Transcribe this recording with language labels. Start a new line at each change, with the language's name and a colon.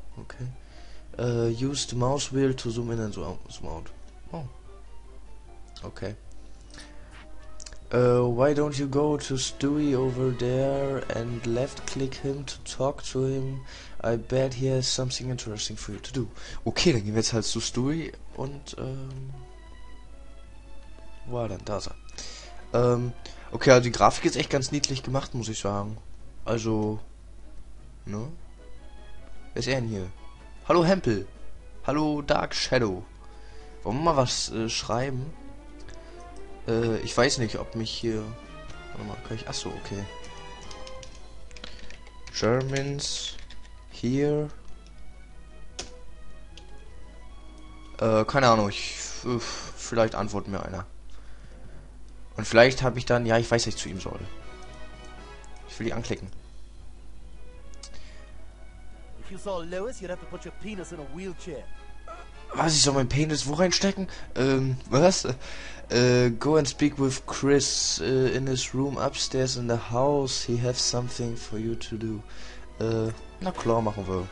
English: Okay. Use the mouse wheel to zoom in and zoom out. Oh. Okay. Why don't you go to Stewie over there and left-click him to talk to him? I bet he has something interesting for you to do.
German: Okay, dann gehen wir jetzt halt zu Stewie und, war dann da. Okay, also die Grafik ist echt ganz niedlich gemacht, muss ich sagen. Also, ne? Wer ist er denn hier? Hallo Hempel! Hallo Dark Shadow! Wollen wir mal was schreiben? Ich weiß nicht, ob mich hier... Warte mal, kann ich... Achso, okay.
English: Germans... Here...
German: keine Ahnung, ich... vielleicht antwortet mir einer. Und vielleicht habe ich dann... Ja, ich weiß, was ich zu ihm soll. Ich will die anklicken.
English: If you saw Lewis, you'd have to put your penis in a wheelchair.
German: Was, ich soll meinen Penis wo reinstecken? Was?
English: Go and speak with Chris in his room upstairs in the house. He has something for you to do.
German: Na klar, machen wir.